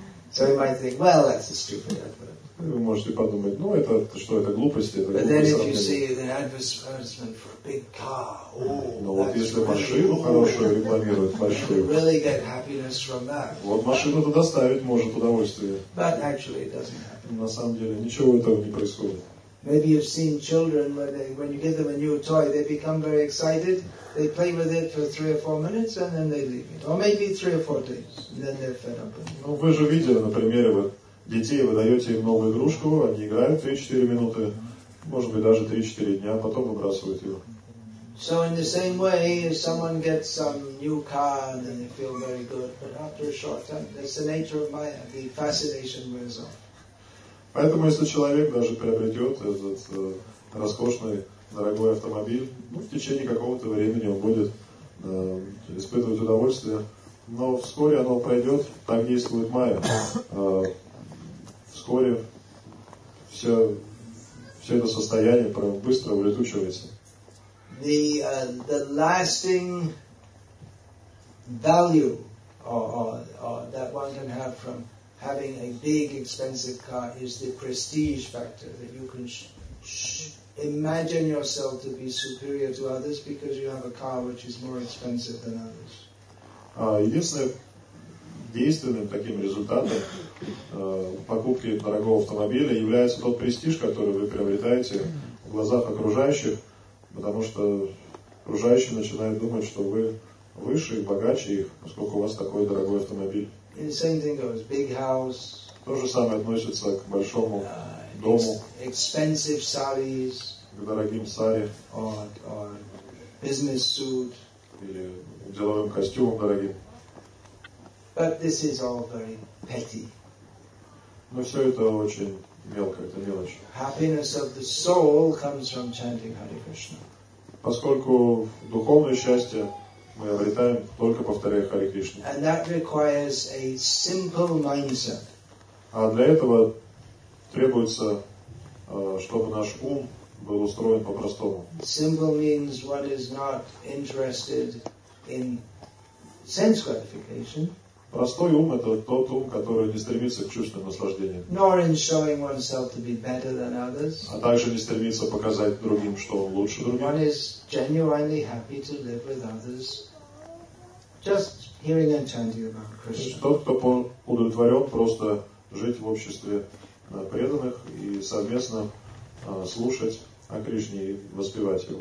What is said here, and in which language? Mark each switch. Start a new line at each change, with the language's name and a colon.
English: So you might think, well, that's a stupid advert.
Russian: Вы можете подумать, ну это что, это глупости?
English: But then if you see an advertisement for a big car, really get happiness from that.
Russian: Вот машину-то доставить может удовольствие.
English: But actually it doesn't happen.
Russian: На самом деле ничего этого не происходит.
English: Maybe you've seen children when you give them a new toy, they become very excited, they play with it for 3 or 4 minutes and then they leave it. Or maybe 3 or 4 days, and then they're fed up.
Russian: Ну, вы же видели на примере вот детей, вы даете им новую игрушку, они играют 3-4 минуты, может быть даже 3-4 дня, а потом выбрасывают ее.
English: So in the same way, if someone gets some new car and then they feel very good, but after a short time, that's the nature of Maya, the fascination wears off.
Russian: Поэтому, если человек даже приобретет этот роскошный, дорогой автомобиль, ну, в течение какого-то времени он будет испытывать удовольствие, но вскоре оно пройдет, так действует майя. Вскоре все это состояние быстро улетучивается.
English: The lasting value that one can have from having a big expensive car is the prestige factor that you can imagine yourself to be superior to others because you have a car which is more expensive than others.
Russian: Единственным действенным таким результатом покупки дорогого автомобиля является тот престиж, который вы приобретаете в глазах окружающих, потому что окружающие начинают думать, что вы выше и богаче их, поскольку у вас такой дорогой автомобиль.
English: And the same thing goes, big house.
Russian: То же самое относится к большому дому.
English: Expensive sarees.
Russian: К дорогим сари.
English: Or business suit.
Russian: Или деловым костюмом дорогим.
English: But this is all very petty.
Russian: Но все это очень мелко, это мелочь.
English: Happiness of the soul comes from chanting Hare Krishna.
Russian: Поскольку духовное счастье мы обретаем, только повторяя Харе Кришну.
English: And that requires a simple mindset.
Russian: А для этого требуется, чтобы наш ум был устроен по-простому.
English: Simple means one is not interested in sense gratification.
Russian: Простой ум – это тот ум, который не стремится к чувственным наслаждениям.
English: Nor in showing oneself to be better than others.
Russian: А также не стремится показать другим, что он лучше других.
English: One is genuinely happy to live with others. Just hearing and chanting about Krishna.
Russian: Тот, кто удовлетворен просто жить в обществе преданных и совместно слушать о Кришне и воспевать его.